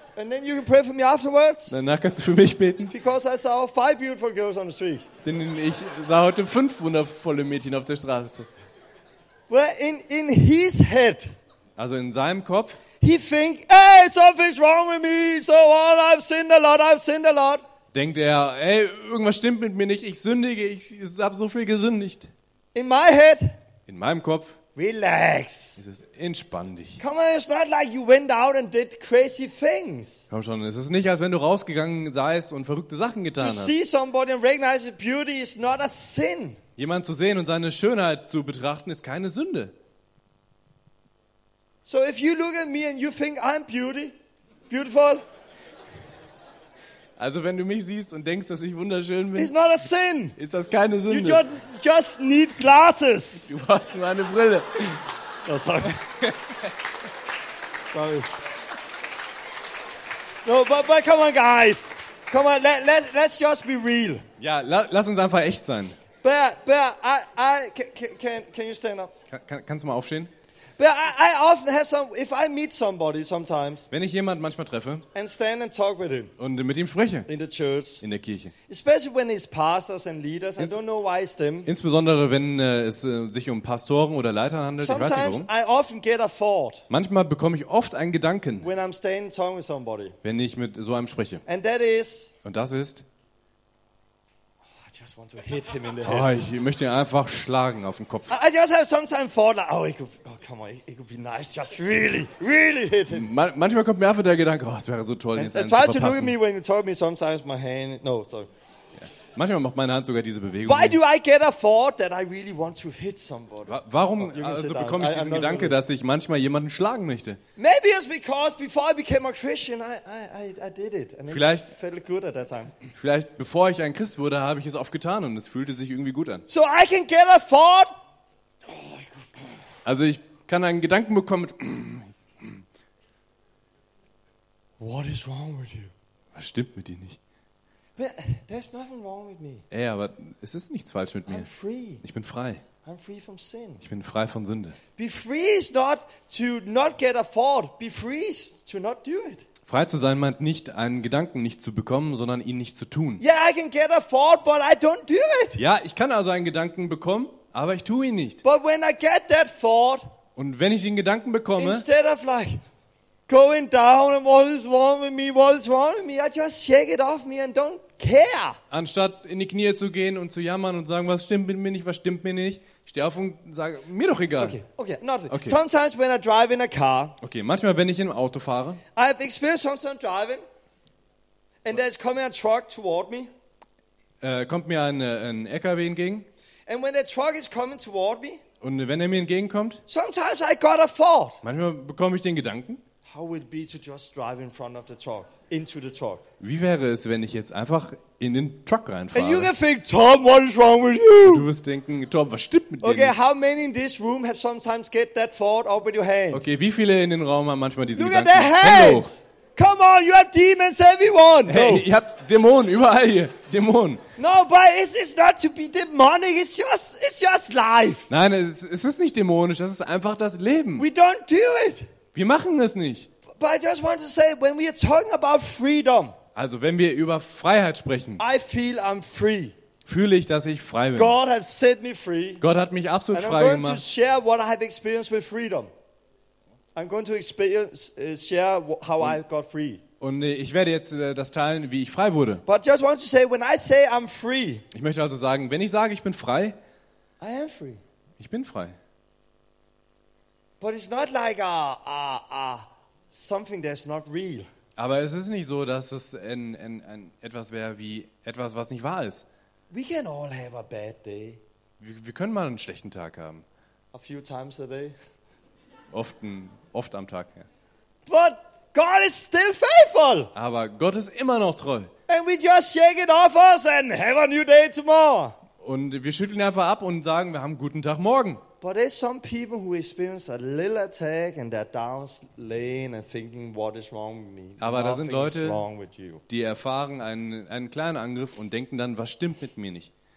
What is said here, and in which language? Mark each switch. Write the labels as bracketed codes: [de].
[en] And then you can pray for me afterwards. [de] Danach kannst du für mich beten. [en] Because I saw five beautiful girls on the street. [de] Denn ich sah heute fünf wundervolle Mädchen auf der Straße. [en] Well, in his head. [de] Also in seinem Kopf. [en] He think, hey, something's wrong with me. So what? I've sinned a lot. [de] Denkt er, hey, irgendwas stimmt mit mir nicht. Ich sündige. Ich habe so viel gesündigt. [en] In my head. [de] In meinem Kopf. [en] Relax. [de] Es ist entspann dich. [en] Come on, it's not like you went out and did crazy things. [de] Komm schon, es ist nicht, als wenn du rausgegangen seist und verrückte Sachen getan hast. [en] To see somebody and recognize his beauty is not a sin. [de] Jemand zu sehen und seine Schönheit zu betrachten ist keine Sünde. [en] So if you look at me and you think I'm beautiful. [de] Also wenn du mich siehst und denkst, dass ich wunderschön bin. [en] It's not a sin. [de] Ist das keine Sünde? [en] You just need glasses. [de] Du brauchst nur eine Brille. [en] Oh, sorry. Sorry. No, but come on guys. Come on, let's just be real. [de] Ja, lass uns einfach echt sein. [en] Bear, I can you stand up? [de] Kannst du mal aufstehen? [en] But I often have some. If I meet somebody sometimes, [de] wenn ich jemand manchmal treffe, [en] and stand and talk with him, [de] und mit ihm spreche, [en] in the church, [de] in der Kirche, [en] especially when it's pastors and leaders, I don't know why it's them. [de] Insbesondere wenn es sich um Pastoren oder Leiter handelt, [en] sometimes [de] ich weiß nicht warum. [en] Sometimes I often get a thought. [de] Manchmal bekomme ich oft einen Gedanken, [en] when I'm standing and talking with somebody, [de] wenn ich mit so einem spreche. [en] And that is. [de] Und das ist. [en] I just want to hit him in the head. [de] Oh, ich möchte ihn einfach schlagen auf den Kopf. [en] I just have sometimes thought like, oh, it could be nice, just really, really hit him. [de] Manchmal kommt mir einfach der Gedanke, oh, es wäre so toll, jetzt einen zu verpassen. [en] And twice you look at me when you told me sometimes my hand, no, sorry. [de] Yeah. Manchmal macht meine Hand sogar diese Bewegung. [en] Why do I get a thought that I really want to hit somebody? [de] Warum also bekomme ich diesen Gedanke, dass ich manchmal jemanden schlagen möchte? [en] Maybe it's because before I became a Christian, I did it and [de] vielleicht, [en] it felt good at that time. [de] Vielleicht bevor ich ein Christ wurde, habe ich es oft getan und es fühlte sich irgendwie gut an. [en] So I can get a thought. [de] Also ich kann einen Gedanken bekommen. [en] What is wrong with you? [de] Was stimmt mit dir nicht? [en] But there's nothing wrong with me. [de] Ey, aber es ist nichts falsch mit mir. [en] I'm free. [de] Ich bin frei. [en] I'm free from sin. [de] Ich bin frei von Sünde. [en] Be free is not to not get a thought. Be free is to not do it. [de] Frei zu sein meint nicht, einen Gedanken nicht zu bekommen, sondern ihn nicht zu tun. [en] Yeah, I can get a thought, but I don't do it. [de] Ja, ich kann also einen Gedanken bekommen, aber ich tue ihn nicht. [en] But when I get that thought, [de] und wenn ich den Gedanken bekomme, [en] instead of like going down and what is wrong with me, what is wrong with me, I just shake it off me and don't care. [de] Anstatt in die Knie zu gehen und zu jammern und sagen, was stimmt mit mir nicht, was stimmt mir nicht, steh auf und sage, mir doch egal. [en] Okay, not really. Okay. Sometimes when I drive in a car. [de] Okay, manchmal wenn ich im Auto fahre. [en] I have experienced sometimes driving and there's coming a truck toward me. [de] Kommt mir ein LKW entgegen. [en] And when the truck is coming toward me. [de] Und wenn er mir entgegenkommt. [en] Sometimes I got a thought. [de] Manchmal bekomme ich den Gedanken. [en] How would it be to just drive in front of the truck, into the truck? [de] Wie wäre es, wenn ich jetzt einfach in den Truck reinfahre? [en] And you can think, Tom, what is wrong with you? [de] Du wirst denken, Tom, was stimmt mit dir? [en] Okay, how many in this room have sometimes get that thought up with your hands? [de] Okay, wie viele in den Raum haben manchmal diese [en] Look [de] Gedanken? [en] At their hands. Come on, you have demons, everyone. Hey, no. [de] Ihr habt Dämonen überall hier. Dämonen. [en] No, but it's not to be demonic. It's just life. [de] Nein, es ist nicht dämonisch. Das ist einfach das Leben. [en] We don't do it. [de] Wir machen es nicht. [en] But I just want to say, when we are talking about freedom, [de] also wenn wir über Freiheit sprechen, [en] I feel I'm free. [de] Fühle ich, dass ich frei bin. [en] God has set me free. [de] Gott hat mich absolut [en] and [de] frei [en] I'm going [de] gemacht. [en] To share what I have experienced with freedom. I'm going to experience share how I got free. [de] Und ich werde jetzt das teilen, wie ich frei wurde. [en] But just want to say, when I say I'm free, [de] ich möchte also sagen, wenn ich sage, ich bin frei, [en] I am free. [de] Ich bin frei. [en] But it's not like a something that's not real. [de] Aber es ist nicht so, dass es ein etwas wäre wie etwas, was nicht wahr ist. [en] We can all have a bad day. [de] Wir können mal einen schlechten Tag haben. [en] A few times a day. [de] Oft am Tag. Ja. [en] But God is still faithful. [de] Aber Gott ist immer noch treu. [en] And we just shake it off us and have a new day tomorrow. [de] Und wir schütteln einfach ab und sagen, wir haben guten Tag morgen. [en] But there's some people who experience a little attack and they're down laying and thinking, what is wrong with me? [de] Aber da sind Leute, die erfahren einen kleinen Angriff und denken dann, was stimmt mit mir nicht?